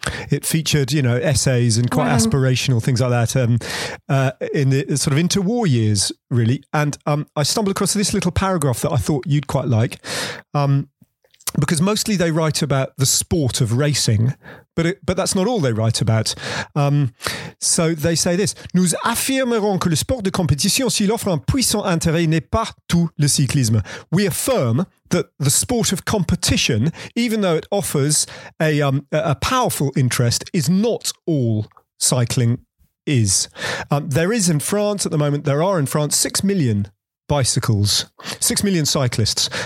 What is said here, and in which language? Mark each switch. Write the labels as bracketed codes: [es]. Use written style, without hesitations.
[en] It featured, you know, essays and quite aspirational things like that in the sort of interwar years, really. And I stumbled across this little paragraph that I thought you'd quite like, because mostly they write about the sport of racing, but that's not all they write about. So they say this: [fr] nous affirmerons que le sport de compétition, s'il offre un puissant intérêt, n'est pas tout le cyclisme. [en] We affirm that the sport of competition, even though it offers a powerful interest, is not all cycling is. There is in France at the moment, 6 million bicycles, 6 million cyclists.